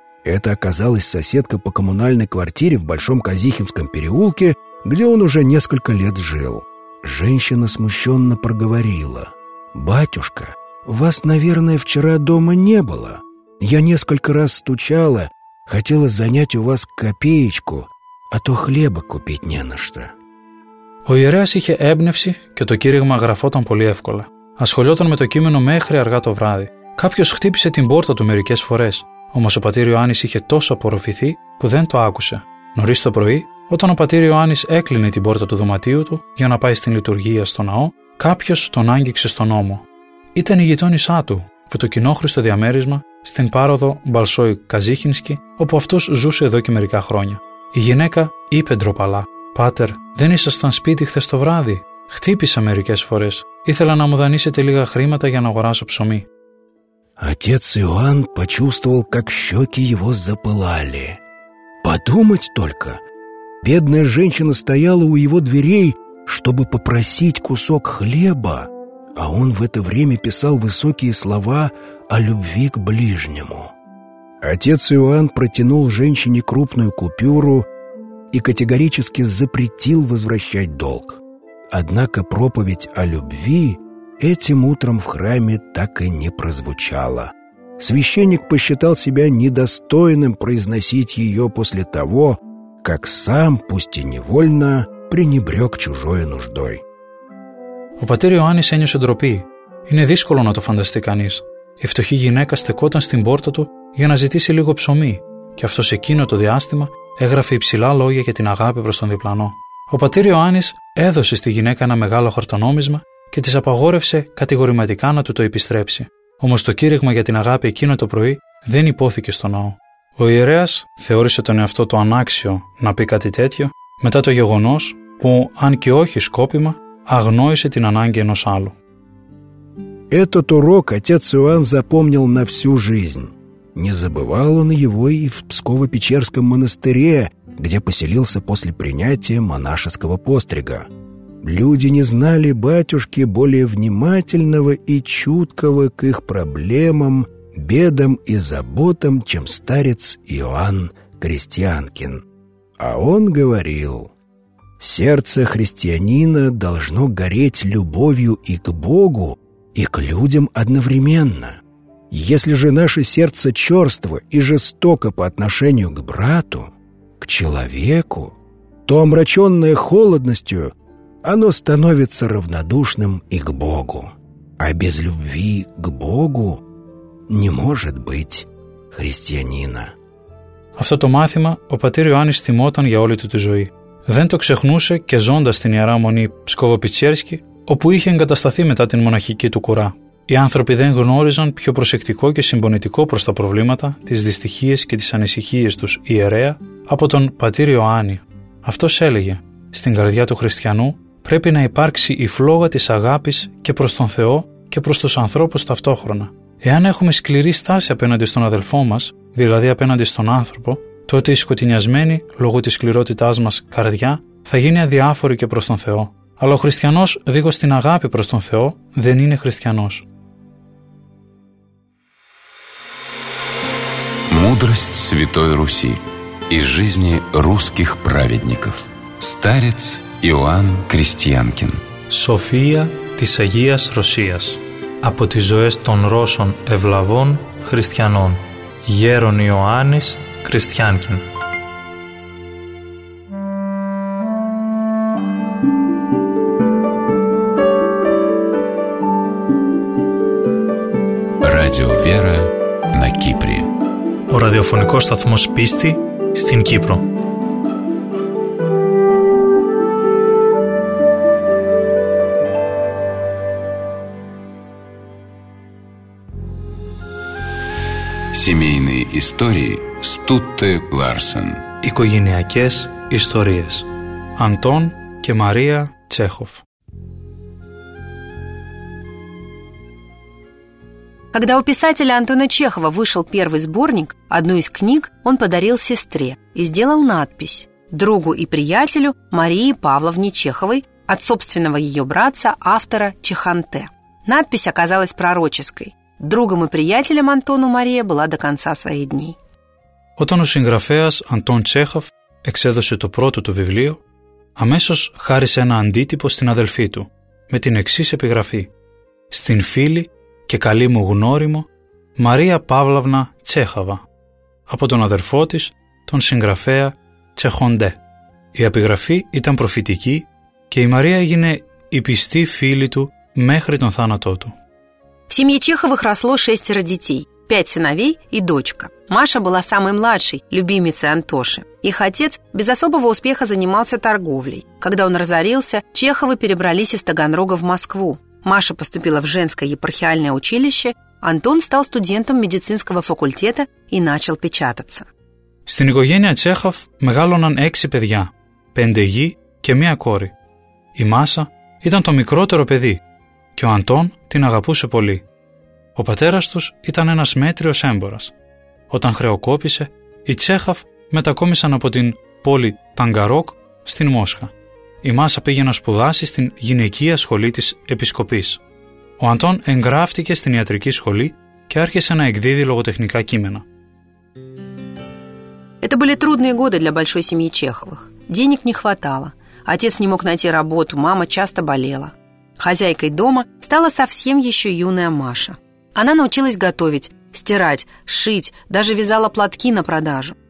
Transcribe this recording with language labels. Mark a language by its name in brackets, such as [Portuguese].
[Russian] Это оказалась соседка по коммунальной квартире в Большом Казихинском переулке, где он уже несколько лет жил. Женщина смущенно проговорила: «Батюшка, вас, наверное, вчера дома не было. Я несколько раз стучала, хотела занять у вас копеечку, а то хлеба купить не на что». [Greek] Ο ιερέας είχε έμπνευση και το κήρυγμα γραφόταν πολύ εύκολα. Ασχολιόταν με το κείμενο μέχρι αργά το βράδυ. Κάποιος χτύπησε την πόρτα του μερικές φορές. Όμως ο πατήρ Ιωάννης είχε τόσο απορροφηθεί που δεν το άκουσε. Νωρίς το πρωί, όταν ο πατήρ Ιωάννης έκλεινε την πόρτα του δωματίου του για να πάει στην λειτουργία στο ναό, κάποιος τον άγγιξε στον ώμο. Ήταν η γειτόνισά του, που το κοινόχρηστο διαμέρισμα στην πάροδο Μπαλσόι Καζίχινσκι, όπου αυτός ζούσε εδώ και μερικά χρόνια. Η γυναίκα είπε ντροπαλά: «Πάτερ, δεν ήσασταν σπίτι χθες το βράδυ. Χτύπησα μερικές φορές. Ήθελα να μου δανείσετε λίγα χρήματα για να αγοράσω ψωμί. [Russian] Отец Иоанн почувствовал, как щеки его запылали. Подумать только! Бедная женщина стояла у его дверей, чтобы попросить кусок хлеба, а он в это время писал высокие слова о любви к ближнему. Отец Иоанн протянул женщине крупную купюру и категорически запретил возвращать долг. Однако проповедь о любви этим утром в храме так и не прозвучала. Священник посчитал себя недостойным произносить ее после того, как сам, пусть и невольно, пренебрег чужой нуждой. [Greek] Ο πατήρ Ιωάννης ένιωσε ντροπή. Είναι δύσκολο να το φανταστεί κανείς. Η φτωχή γυναίκα στεκόταν στην πόρτα του για να ζητήσει λίγο ψωμί και αυτό σε εκείνο το διάστημα έγραφε υψηλά λόγια για την αγάπη προς τον διπλανό. Ο πατήρ Ιωάννης έδωσε στη γυναίκα ένα μεγάλο χαρτονόμισμα και της απαγόρευσε κατηγορηματικά να του το επιστρέψει. Όμως το κήρυγμα για την αγάπη εκείνο το πρωί δεν υπόθηκε στο ναό. Ο ιερέας θεώρησε τον εαυτό του ανάξιο να πει κάτι τέτοιο μετά το γεγονός που, αν και όχι σκόπιμα, αγνόησε την ανάγκη ενός άλλου. [Russian] Этот урок отец Иоанн запомнил на всю жизнь. Не забывал он его и в Псково-Печерском монастыре, где поселился после принятия монашеского пострига. Люди не знали батюшки более внимательного и чуткого к их проблемам, бедам и заботам, чем старец Иоанн Крестьянкин. А он говорил: «Сердце христианина должно гореть любовью и к Богу, и к людям одновременно. Если же наше сердце черство и жестоко по отношению к брату, к человеку, то, омраченное холодностью, оно становится равнодушным и к Богу. А без любви к Богу не может быть христианина». [Greek] Αυτό το μάθημα ο πατήρ Ιωάννης θυμόταν για όλη του τη ζωή. Δεν το ξεχνούσε και ζώντας στην Ιερά Μονή Ψκοβοπιτσέρσκη, όπου είχε εγκατασταθεί μετά την μοναχική του κουρά. Οι άνθρωποι δεν γνώριζαν πιο προσεκτικό και συμπονητικό προς τα προβλήματα, τις δυστυχίες και τις ανησυχίες τους ιερέα από τον πατήρ Ιωάννη. Αυτός έλεγε: «Στην καρδιά του χριστιανού πρέπει να υπάρξει η φλόγα της αγάπης και προς τον Θεό και προς τους ανθρώπους ταυτόχρονα. Εάν έχουμε σκληρή στάση απέναντι στον αδελφό μας, δηλαδή απέναντι στον άνθρωπο, τότε η σκοτεινιασμένη, λόγω της σκληρότητάς μας, καρδιά θα γίνει αδιάφορη και προς τον Θεό. Αλλά ο χριστιανός, δίχως την αγάπη προς τον Θεό, δεν είναι χριστιανός». [Russian] Мудрость Святой Руси из жизни русских праведников. Старец Иоанн Крестьянкин. [Greek] Σοφία της Αγίας Ρωσίας. Από τις ζωές των Ρώσων ευλαβών χριστιανών. Γέρον Ιωάννης Κριστιάνκιν. [Russian] Radio Vera на Кипре. [Greek] Ο ραδιοφωνικός σταθμός πίστη στην Κύπρο. [Russian] Семейные истории Стутте Ларсен. [Greek] Οικογενειακές ιστορίες. Αντών και Μαρία Τσέχοφ. [Russian] Когда у писателя Антона Чехова вышел первый сборник, одну из книг он подарил сестре и сделал надпись «Другу и приятелю Марии Павловне Чеховой от собственного ее братца, автора Чеханте». Надпись оказалась пророческой. Другом и приятелем Антону Мария была до конца своих дней. [Greek] Όταν ο συγγραφέας Αντών Τσέχοφ εξέδωσε το πρώτο του βιβλίο, αμέσως χάρισε ένα αντίτυπο στην αδελφή του με την εξής επιγραφή: «Στην φίλη και καλή μου γνώριμο Μαρία Παύλαυνα Τσέχαβα, από τον αδερφό της, τον συγγραφέα Τσεχοντέ». Η επιγραφή ήταν προφητική και η Μαρία έγινε η πιστή φίλη του μέχρι τον θάνατό του. [Russian] В семье Чеховых росло шестеро детей, пять сыновей и дочка. Маша была самой младшей, любимицей Антоши. Их отец без особого успеха занимался торговлей. Когда он разорился, Чеховы перебрались из Таганрога в Москву. Маша поступила в женское епархиальное училище, Антон стал студентом медицинского факультета и начал печататься. [Greek] Στην οικογένεια Чехов μεγάλωναν έξι παιδιά, πέντε γη και μία κόρη. Η Μάσα ήταν το μικρότερο παιδί και ο Αντών την αγαπούσε πολύ. Ο πατέρας τους ήταν ένας μέτριος έμπορας. Όταν χρεοκόπησε, οι Τσέχαφ μετακόμισαν από την πόλη Ταγκαρόκ στην Μόσχα. Η Μάσα πήγε να σπουδάσει στην γυναικεία σχολή της Επισκοπής. Ο Αντών εγγράφτηκε στην ιατρική σχολή και άρχισε να εκδίδει λογοτεχνικά κείμενα. [Russian] Это были трудные годы для большой семьи Чеховых. Денег не хватало. Отец не мог найти работу, мама часто болела. Хозяйкой дома стала совсем еще юная Маша. Она научилась готовить, стирать, шить, даже вязала платки на продажу.